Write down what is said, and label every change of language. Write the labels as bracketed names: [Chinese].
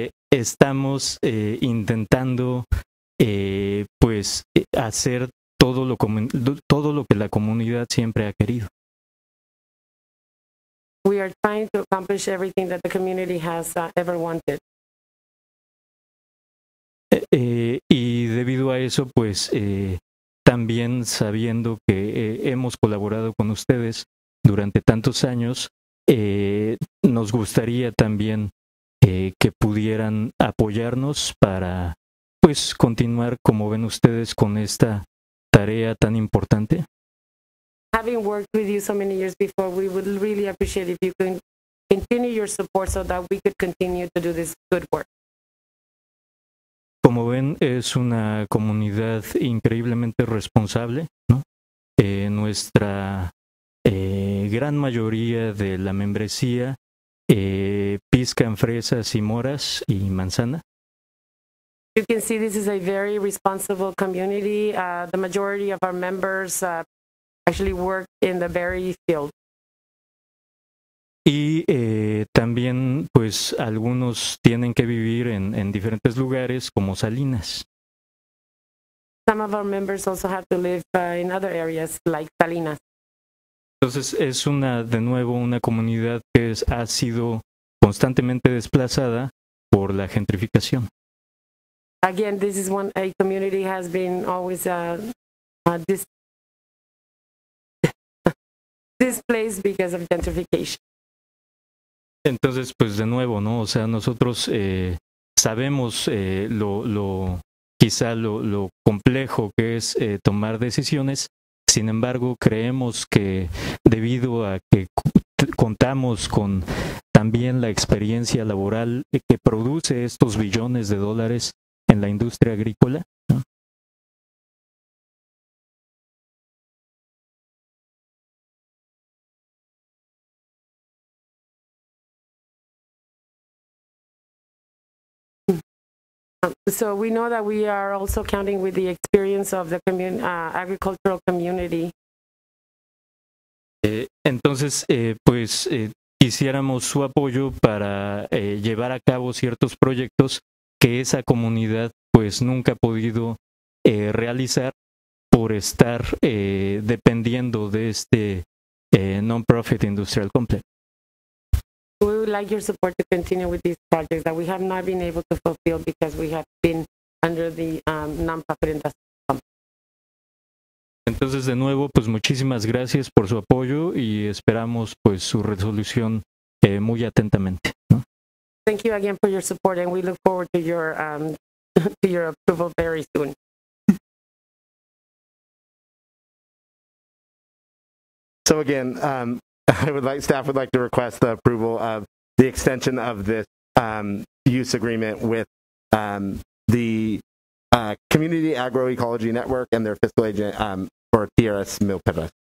[Spanish] Estamos intentando pues hacer todo lo que la comunidad siempre ha querido. [English] We are trying to accomplish everything that the community has ever wanted. [Spanish] Y debido a eso, pues también sabiendo que hemos colaborado con ustedes durante tantos años, nos gustaría también que pudieran apoyarnos para pues continuar, como ven ustedes, con esta tarea tan importante. [English] Having worked with you so many years before, we would really appreciate if you can continue your support so that we could continue to do this good work. [Spanish] Como ven, es una comunidad increíblemente responsable, ¿no? Nuestra gran mayoría de la membresía pizcan fresas y moras y manzana. [English] You can see this is a very responsible community. The majority of our members actually work in the berry field. [Spanish] Y también, pues, algunos tienen que vivir en diferentes lugares como Salinas. [English] Some of our members also have to live in other areas like Salinas. [Spanish] Entonces, es una, de nuevo, una comunidad que es, ha sido constantemente desplazada por la gentrificación. [English] Again, this is one, a community has been always displaced because of gentrification. [Spanish] Entonces, pues de nuevo, ¿no? O sea, nosotros sabemos lo complejo que es tomar decisiones. Sin embargo, creemos que debido a que contamos con también la experiencia laboral que produce estos billones de dólares en la industria agrícola, ¿no? [English] So we know that we are also counting with the experience of the agricultural community. [Spanish] Entonces, pues quisiéramos su apoyo para llevar a cabo ciertos proyectos que esa comunidad pues nunca ha podido realizar por estar dependiendo de este [English] non-profit industrial complex. We would like your support to continue with these projects that we have not been able to fulfill because we have been under the non-profit industrial complex. [Spanish] Entonces, de nuevo, pues muchísimas gracias por su apoyo y esperamos pues su resolución muy atentamente, ¿no? [English] Thank you again for your support and we look forward to your to your approval very soon. So again, staff would like to request the approval of the extension of this use agreement with the Community Agroecology Network and their fiscal agent for TRS Milpeva.